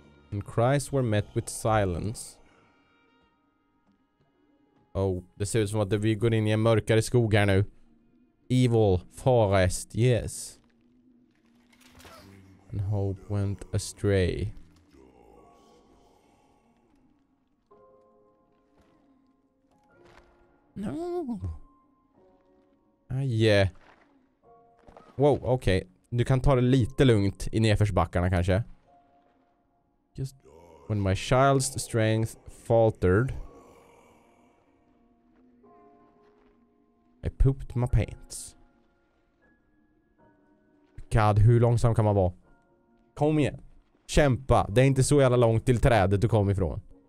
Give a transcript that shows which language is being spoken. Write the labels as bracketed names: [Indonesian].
[English] And cries were met with silence. [Swedish] Oh, det ser ut som att vi går in i en mörkare skog här nu. [English] Evil forest, yes. And hope went astray. No. Yeah. Wow, okay. [Swedish] Du kan ta det lite lugnt i nedförsbackarna kanske. [English] Just when my child's strength faltered, I pooped my pants. [Swedish] God, hur långsam kan man vara? Kom igen. Kämpa. Det är inte så jävla långt till trädet du kom ifrån.